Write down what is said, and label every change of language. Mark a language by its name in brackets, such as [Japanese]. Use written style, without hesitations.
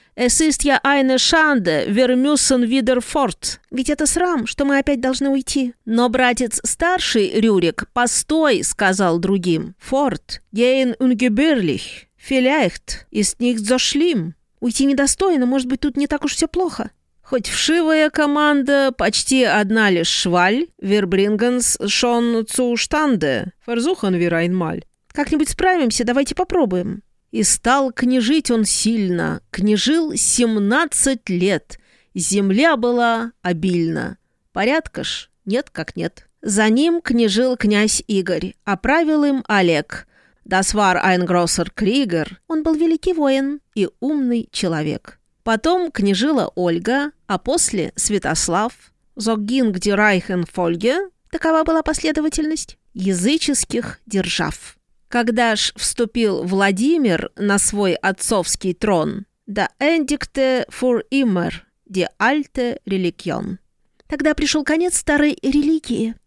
[German] Es ist ja eine Schande, wir müssen wieder fort. [Russian] Ведь это срам, что мы опять должны уйти. Но братец старший, Рюрик, постой, сказал другим. [German] Fort, gehen ungebührlich, vielleicht ist nicht so schlimm. [Russian] Уйти недостойно, может быть, тут не так уж все плохо. Хоть вшивая команда, почти одна лишь шваль. [German] Wir bringen es schon zu Stande. Versuchen wir einmal. [Russian] Как-нибудь справимся, давайте попробуем. И стал княжить он сильно. Княжил 17 лет. Земля была обильна. Порядка ж нет как нет. За ним княжил князь Игорь, а правил им Олег. [German] Das war ein großer Krieger. [Russian] Он был великий воин и умный человек. Потом княжила Ольга, а после Святослав. [German] So ging die Reichenfolge. [Russian] Такова была последовательность языческих держав. Когда ж вступил Владимир на свой отцовский трон, [German] da endigte für immer die alte Religion. [Russian] Тогда пришел конец старой религии.